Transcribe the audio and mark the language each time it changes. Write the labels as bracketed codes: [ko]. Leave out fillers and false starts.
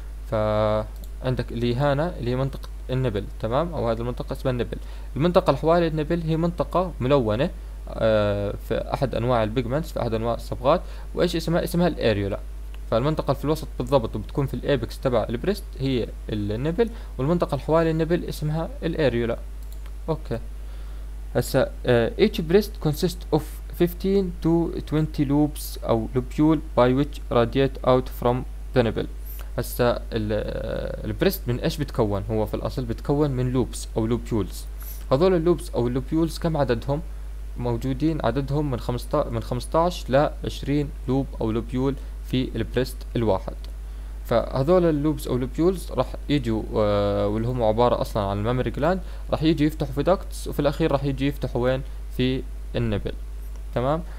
[ar] فعندك اللي هنا اللي هي منطقة النبل، تمام، او هذه المنطقة اسمها النبل. المنطقة اللي حوالي النبل هي منطقة ملونة في احد انواع البيجمنتس، في احد انواع الصبغات، وايش اسمها؟ اسمها الاريولا. فالمنطقة في الوسط بالضبط وبتكون في الايبكس تبع البريست هي النبل، والمنطقة حوالي النبل اسمها الاريولا. اوكي هسا [en] each breast consists of 15 to 20 loops [ar] او لوبيول [en] by which radiate out from the nipple. [ar] هسا البريست من ايش بتكون؟ هو في الاصل بتكون من لوبس او لوبيولز. هذول اللوبس او اللوبيولز كم عددهم موجودين؟ عددهم من 15 ل 20 لوب او لوبيول في البريست الواحد. فهذول اللوبس او اللوبيولز راح يجوا واللي هم عباره اصلا عن الميموري جلاند، راح يجي يفتحوا في داكتس، وفي الاخير راح يجي يفتحوا وين؟ في النبل. تمام.